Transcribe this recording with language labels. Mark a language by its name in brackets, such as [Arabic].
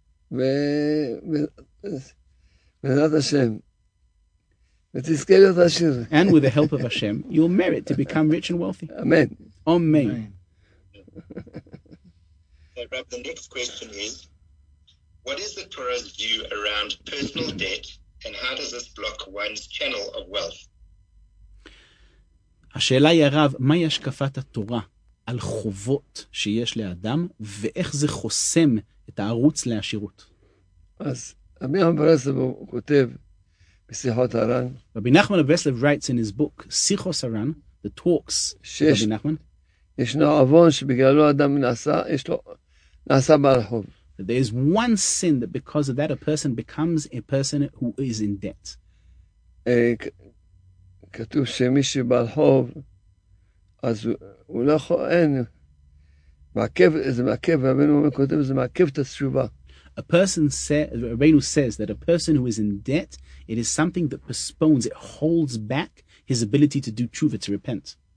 [English] And with the help of Hashem, you'll merit to become rich and wealthy. Amen. Amen. Amen. Rabbi, the next question is, what is the Torah's view around personal debt, and how does this block one's channel of wealth? [Hebrew] השאלה היא הרב, מהי השקפת התורה על חובות שיש לאדם, ואיך זה חוסם את הערוץ לעשירות? אז רבי נחמן ברסלב כותב בשיחות הרן. [English] רבי נחמן ברסלב writes in his book, שיחות הרן, the talks שיש, רבי נחמן. [Hebrew] ישנו עוון שבגללו אדם נעשה בעל חוב. [English] There is one sin that because of that a person becomes a person who is in debt. [Hebrew] כתוב שמי שבעל חוב, אז הוא לא יכול, אין. זה מעכב, רבינו אומר קודם, זה מעכב את התשובה. [English] A person says, Rabbeinu says that a person who is in debt, it is something that postpones, it holds back his ability to do tshuva, to repent.